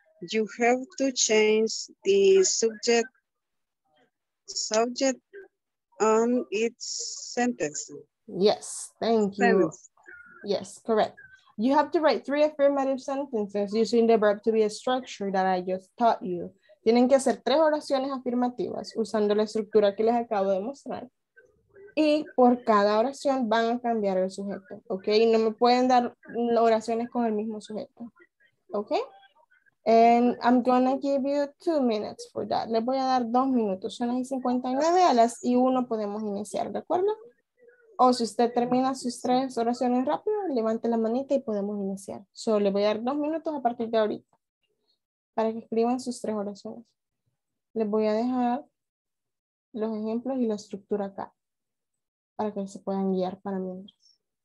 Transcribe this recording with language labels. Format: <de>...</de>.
<en>You have to change the subject on its sentence. Yes, thank you. Sentence. Yes, correct. You have to write three affirmative sentences using the verb to be a structure that I just taught you.</en> <es>Tienen que hacer tres oraciones afirmativas usando la estructura que les acabo de mostrar. Y por cada oración van a cambiar el sujeto, ¿ok? No me pueden dar oraciones con el mismo sujeto, ¿ok?</es> <en>And I'm gonna give you 2 minutes for that.</en> <es>Les voy a dar 2 minutos, son las 59, a las y 1 podemos iniciar, ¿de acuerdo? O si usted termina sus tres oraciones rápido, levante la manita y podemos iniciar. Solo le voy a dar 2 minutos a partir de ahorita para que escriban sus tres oraciones. Les voy a dejar los ejemplos y la estructura acá para que se puedan guiar para mientras.</es>